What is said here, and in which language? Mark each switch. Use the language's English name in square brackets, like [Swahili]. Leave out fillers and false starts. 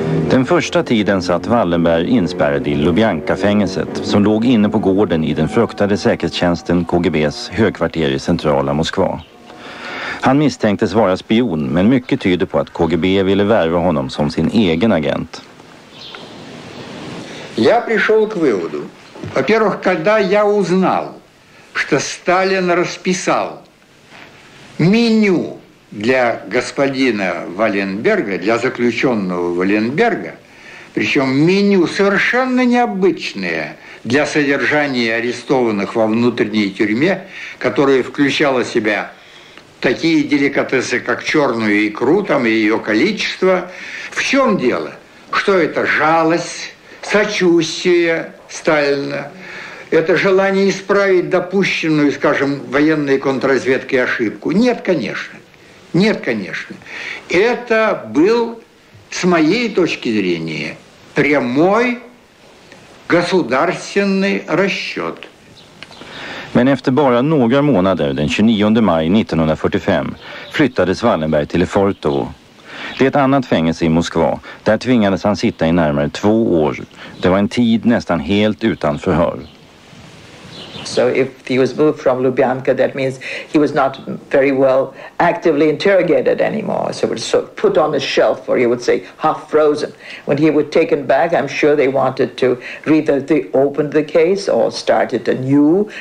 [Swedish] Den första tiden satt Wallenberg inspärrad i Lubjanka-fängelset som låg inne på gården i den fruktade säkerhetstjänsten KGBs högkvarter i centrala Moskva. Han misstänktes vara spion, men mycket tyder på att KGB ville värva honom som sin egen agent. Jag [Russian] пришёл к выводу. Во-первых, когда я узнал, что Сталин расписал меню для господина Валенберга, для заключённого Валенберга, причём меню совершенно необычное для содержания арестованных во внутренней тюрьме, которое включало в себя такие деликатесы, как черную икру, там и ее количество. В чем дело? Что это жалость, сочувствие Сталина? Это желание исправить допущенную, скажем, военной контрразведкой ошибку? Нет, конечно. Нет, конечно. Это был, с моей точки зрения, прямой государственный расчет. [Swedish] Men efter bara några månader, den 29 maj 1945, flyttades Wallenberg till Fortovo. Det är ett annat fängelse i Moskva. Där tvingades han sitta i närmare två år. Det var en tid nästan helt utan förhör. [English] So if he was moved from Lubyanka, that means he was not very well actively interrogated anymore. So it was sort of put on the shelf, or you would say half frozen. When he was taken back, I'm sure they wanted to reopen the case or start it anew.